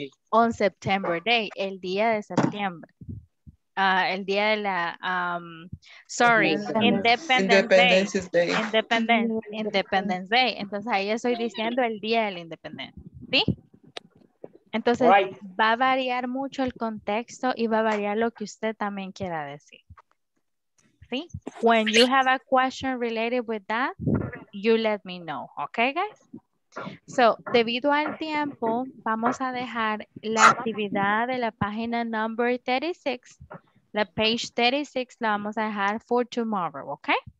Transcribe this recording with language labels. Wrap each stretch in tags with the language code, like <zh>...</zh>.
<en>On September Day,</en> <es>el día de septiembre. El día de la Independence Day. Entonces ahí estoy diciendo el día de la independencia. ¿Sí? Entonces, va a variar mucho el contexto y va a variar lo que usted también quiera decir.</es> <en>See, when you have a question related with that, you let me know. Okay, guys?</en> <es>So, debido al tiempo, vamos a dejar la actividad de la página number 36, la page 36, la vamos a dejar</es> <en>for tomorrow,</en> <es>okay?</es>